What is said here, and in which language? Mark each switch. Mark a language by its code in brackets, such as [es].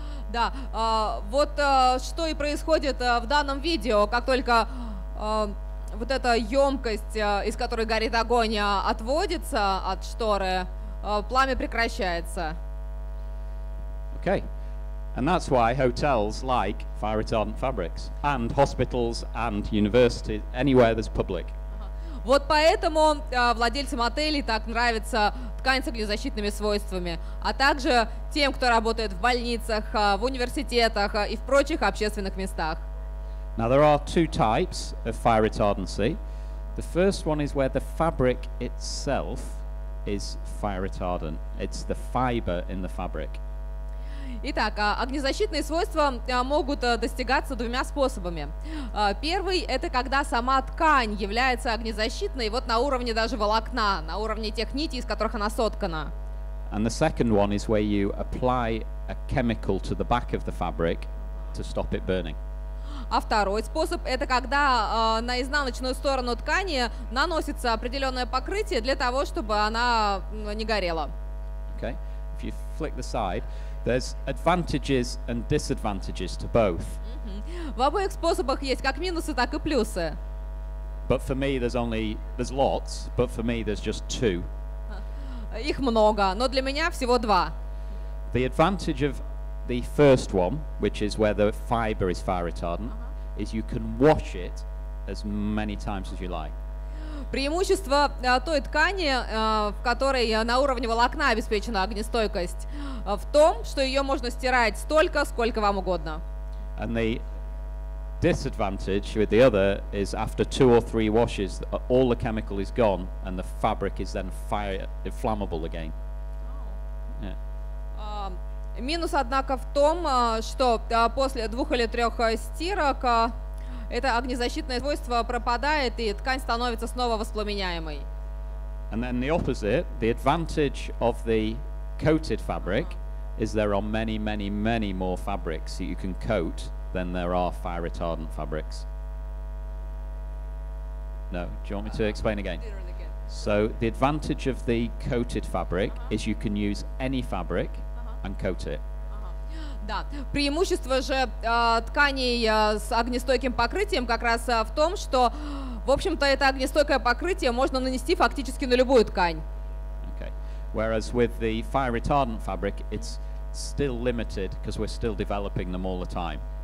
[ru] Да, вот что и происходит в данном видео, как только вот эта емкость, из которой горит огонь, отводится от шторы, пламя прекращается. [en] Okay. And that's why hotels like fire retardant fabrics, and hospitals, and universities, anywhere there's public. [ru] Вот поэтому владельцам отелей так нравится ткань с огнезащитными свойствами, а также тем, кто работает в больницах, в университетах и в прочих общественных местах. [en] Now there are two types of fire retardancy. The first one is where the fabric itself is fire retardant. It's the fiber in the fabric. [ru] Итак, огнезащитные свойства могут достигаться двумя способами. Первый – это когда сама ткань является огнезащитной, вот на уровне даже волокна, на уровне тех нитей, из которых она соткана. [en] And the second one is where you apply a chemical to the back of the fabric to stop it burning. [ru] А второй способ – это когда на изнаночную сторону ткани наносится определенное покрытие для того, чтобы она не горела. [en] Okay. If you flick the side, there's advantages and disadvantages to both. [ru] В обоих способах есть как минусы, так и плюсы. [en] But for me there's lots, but for me there's just two. [ru] Их много, но для меня всего два. [en] The advantage of the first one, which is where the fiber is fire retardant, uh-huh. is you can wash it as many times as you like. [ru] Преимущество той ткани, в которой на уровне волокна обеспечена огнестойкость, в том, что ее можно стирать столько, сколько вам угодно. [en] And the disadvantage with the other is after two or three washes, all the chemical is gone and the fabric is then flammable again. [ru] Минус, однако, в том, что после двух или трех стирок это огнезащитное свойство пропадает, и ткань становится снова воспламеняемой. [en] And then the opposite, the advantage of the coated fabric is there are many, many, many more fabrics that you can coat than there are fire retardant fabrics. No, do you want me to explain again? So the advantage of the coated fabric is you can use any fabric and coat it. [ru] Да. Преимущество же тканей с огнестойким покрытием как раз в том, что, в общем-то, это огнестойкое покрытие можно нанести фактически на любую ткань. [en] Okay. Whereas with the fire retardant fabric, it's still limited because we're still developing them all the time.